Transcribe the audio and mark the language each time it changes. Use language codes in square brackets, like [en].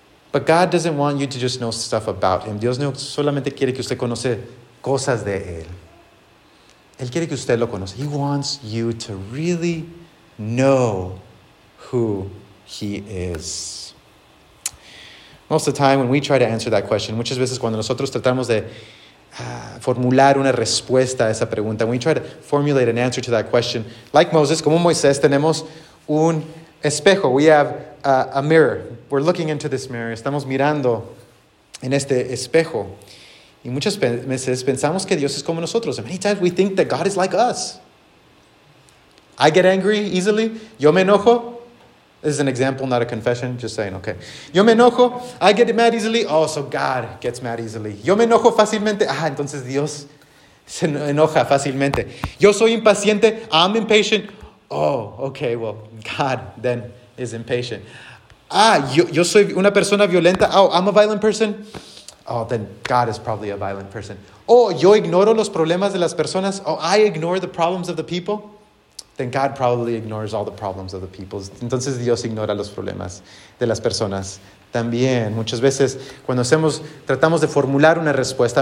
[en] But God doesn't want you to just know stuff about him. [es] Dios no solamente quiere que usted conoce cosas de él. Él quiere que usted lo conoce. [en] He wants you to really know who he is. Most of the time when we try to answer that question, muchas veces cuando nosotros tratamos de formular una respuesta a esa pregunta. When we try to formulate an answer to that question, like Moses, como Moisés, tenemos un espejo. We have a mirror. We're looking into this mirror. Estamos mirando en este espejo. [es] Y muchas veces pensamos que Dios es como nosotros. [en] And many times we think that God is like us. I get angry easily. Yo me enojo. This is an example, not a confession. Just saying, okay. Yo me enojo. I get mad easily. Oh, so God gets mad easily. [es] Yo me enojo fácilmente. Ah, entonces Dios se enoja fácilmente. [en] Yo soy impaciente. I'm impatient. Oh, okay. Well, God then is impatient. [es] Ah, yo soy una persona violenta. Oh, I'm a violent person. [en] Oh, then God is probably a violent person. [es] Oh, yo ignoro los problemas de las personas. [en] Oh, I ignore the problems of the people. Then God probably ignores all the problems of the people. [es] Entonces Dios ignora los problemas de las personas. También, muchas veces, cuando tratamos de formular una respuesta,